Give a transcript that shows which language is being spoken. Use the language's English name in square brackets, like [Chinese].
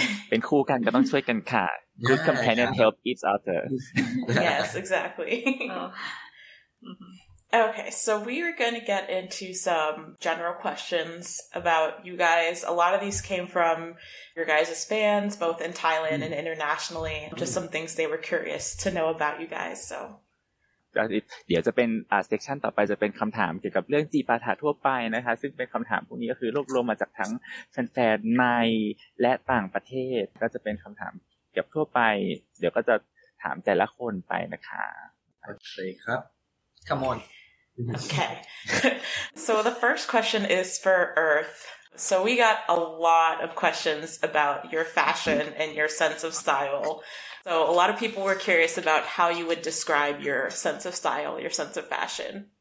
[Thai] เป็นคู่กันก็ต้องช่วยกันค่ะ [English] Good companion help each other. Yes, exactly. Okay, so we are going to get into some general questions about you guys. A lot of these came from your guys' fans, both in Thailand and internationally. Just some things they were curious to know about you guys, so... [Thai] เดี๋ยวจะเป็นเซสชันต่อไปจะเป็นคำถามเกี่ยวกับเรื่องจีปาถาทั่วไปนะคะซึ่งเป็นคำถามพวกนี้ก็คือรวบรวมมาจากทั้งแฟนๆในและต่างประเทศก็จะเป็นคำถามเกี่ยวกับทั่วไปเดี๋ยวก็จะถามแต่ละคนไปนะคะ โอเคครับ [English] Come on Okay So the first question is for EarthSo we got a lot of questions about your fashion and your sense of style. So a lot of people were curious about how you would describe your sense of style, your sense of fashion.